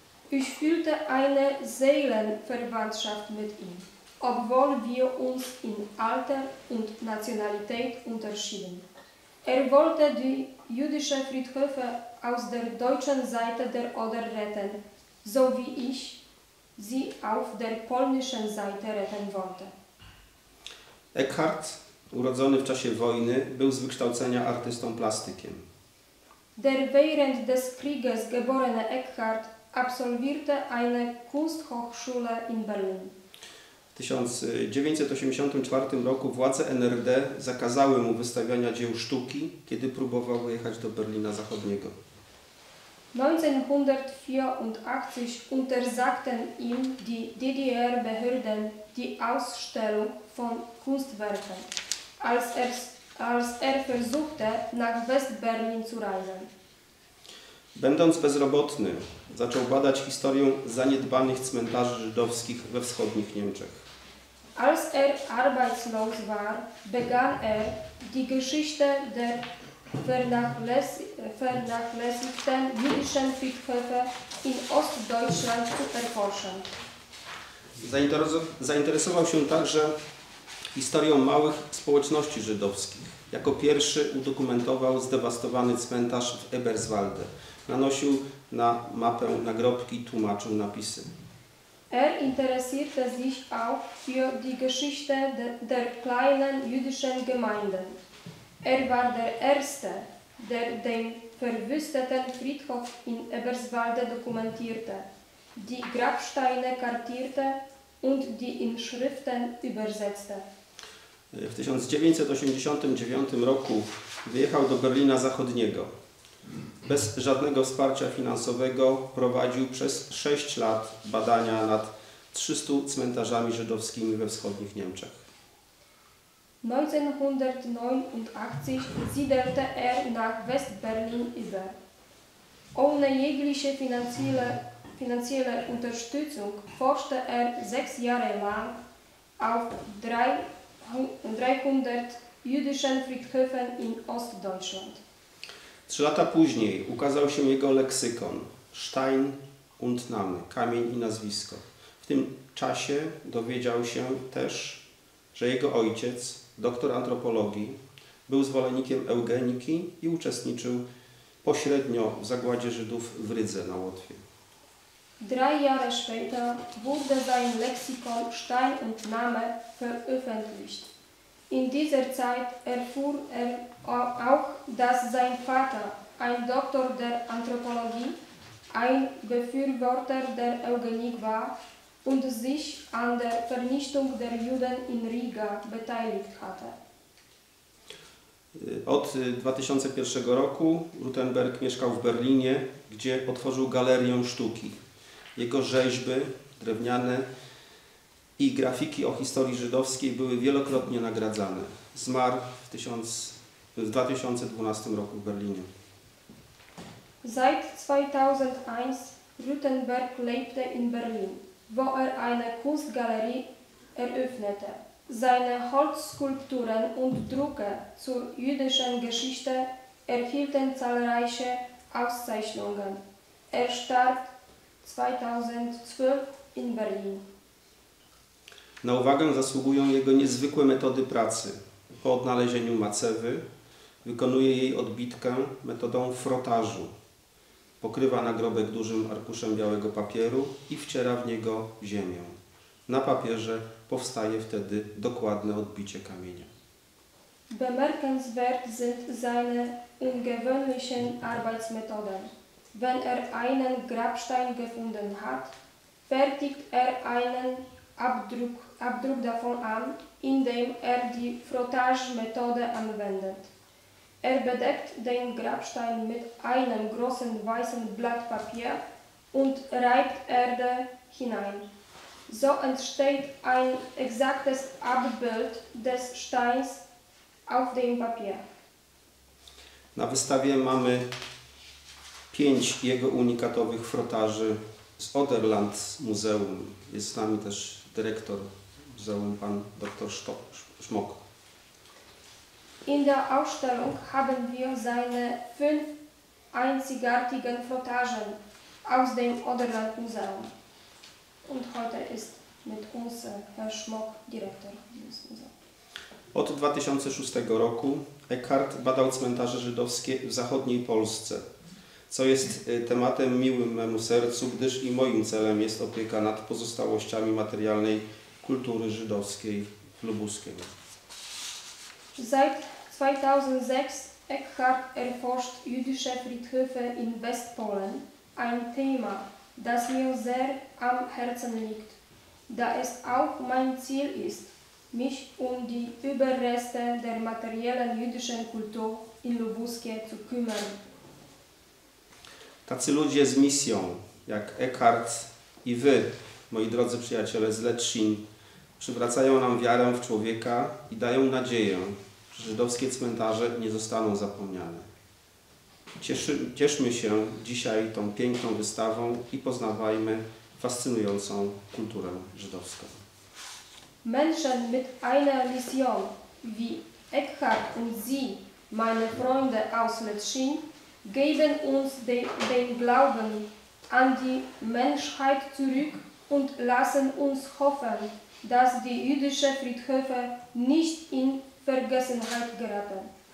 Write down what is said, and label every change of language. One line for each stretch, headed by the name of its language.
German: Ich fühlte eine Seelenverwandtschaft mit ihm, obwohl wir uns in Alter und Nationalität unterschieden. Wollte die jüdische Friedhöfe aus der deutschen Seite der Oder retten, so wie ich, sie auf der polnischen Seite retten wollte.
Polish: Eckhart, urodzony w czasie wojny, był z wykształcenia artystą plastykiem.
German: Der während des Krieges geborene Eckhart absolvierte eine Kunsthochschule in Berlin.
Polish: W 1984 roku władze NRD zakazały mu wystawiania dzieł sztuki, kiedy próbował wyjechać do Berlina Zachodniego.
German: 1984 untersagten ihm die DDR-Behörden die Ausstellung von Kunstwerken, als er versuchte, nach West-Berlin zu reisen.
Polish: Będąc bezrobotny, zaczął badać historię zaniedbanych cmentarzy żydowskich we wschodnich Niemczech.
German: Als er arbeitslos war, begann er, die Geschichte der vernachlässigten jüdischen Friedhöfe in Ostdeutschland zu erforschen.
Polish: Zainteresował się także historią małych społeczności żydowskich. Jako pierwszy udokumentował zdewastowany cmentarz w Eberswalde. Nanosił na mapę nagrobki, tłumaczył napisy.
German: Er interessierte sich auch für die Geschichte der kleinen jüdischen Gemeinden. Er war der Erste, der den verwüsteten Friedhof in Eberswalde dokumentierte, die Grabsteine kartierte und die Inschriften übersetzte.
Polish: W 1989 roku wyjechał do Berlina Zachodniego. Bez żadnego wsparcia finansowego prowadził przez 6 lat badania nad 300 cmentarzami żydowskimi we wschodnich Niemczech.
German: 1989 siedelte er nach West-Berlin über. Ohne jegliche finanzielle Unterstützung forschte er 6 Jahre lang auf 300 jüdischen Friedhöfen in Ostdeutschland.
Polish: 3 lata później ukazał się jego leksykon Stein und Name, kamień i nazwisko. W tym czasie dowiedział się też, że jego ojciec, doktor antropologii, był zwolennikiem eugeniki i uczestniczył pośrednio w zagładzie Żydów w Rydze na Łotwie.
German: 3 Jahre später wurde sein Lexikon Stein und Name veröffentlicht. In dieser Zeit erfuhr er auch, dass sein Vater, ein Doktor der Anthropologie, ein Befürworter der Eugenik war und sich an der Vernichtung der Juden in Riga beteiligt hatte.
Polish: Od 2001 roku Rutenberg mieszkał w Berlinie, gdzie otworzył galerię sztuki. Jego rzeźby drewniane i grafiki o historii żydowskiej były wielokrotnie nagradzane. Zmarł w 2012 roku w Berlinie.
German: Seit 2001 Rutenberg lebte in Berlin, wo er eine Kunstgalerie eröffnete. Seine Holzskulpturen und Drucke zur jüdischen Geschichte erhielten zahlreiche Auszeichnungen. Er starb 2012 in Berlin.
Polish: Na uwagę zasługują jego niezwykłe metody pracy. Po odnalezieniu macewy wykonuje jej odbitkę metodą frotażu. Pokrywa nagrobek dużym arkuszem białego papieru i wciera w niego ziemię. Na papierze powstaje wtedy dokładne odbicie kamienia.
German: Bemerkenswert sind seine ungewöhnlichen Arbeitsmethoden. Wenn er einen Grabstein gefunden hat, fertigt er einen Abdruck davon an, indem er die Frottage-Methode anwendet. Er bedeckt den Grabstein mit einem großen weißen Blatt Papier und reibt Erde hinein. So entsteht ein exaktes Abbild des Steins auf dem Papier.
Polish: Na wystawie mamy 5 jego unikatowych frotaży z Oderland Muzeum. Jest z nami też Direktor Muzeum, pan dr Schmock.
German: In der Ausstellung haben wir seine 5 einzigartigen Frottagen aus dem Oderland Museum. Und heute ist mit uns Herr Schmock, Direktor des Museums.
Polish: Od 2006 roku Eckhart badał cmentarze żydowskie w zachodniej Polsce. co jest tematem miłym memu sercu, gdyż i moim celem jest opieka nad pozostałościami materialnej kultury żydowskiej w Lubuskiem.
German: Seit 2006 Eckhart erforscht jüdische Friedhöfe in Westpolen, ein Thema, das mir sehr am Herzen liegt, da es auch mein Ziel ist, mich um die Überreste der materiellen jüdischen Kultur in Lubuskie zu kümmern.
Polish: Tacy ludzie z misją, jak Eckhart i wy, moi drodzy przyjaciele z Lecin, przywracają nam wiarę w człowieka i dają nadzieję, że żydowskie cmentarze nie zostaną zapomniane. Cieszmy się dzisiaj tą piękną wystawą i poznawajmy fascynującą kulturę żydowską.
German: Menschen mit einer Mission wie Eckhart und Sie, meine Freunde aus Lecin, geben uns den Glauben an die Menschheit zurück und lassen uns hoffen, dass die jüdischen Friedhöfe nicht in Vergessenheit geraten.